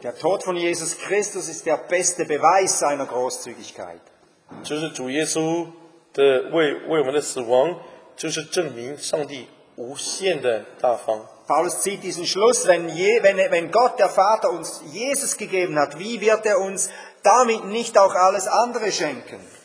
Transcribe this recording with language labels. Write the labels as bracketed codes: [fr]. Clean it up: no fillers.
[de] Der Tod von Jesus Christus ist der beste Beweis seiner Großzügigkeit. [zh] 就是主耶稣的为我们的死亡，就是证明上帝无限的大方。 [de] Paulus zieht diesen Schluss, wenn Gott, der Vater, uns Jesus gegeben hat, wie wird er uns damit nicht auch alles andere schenken?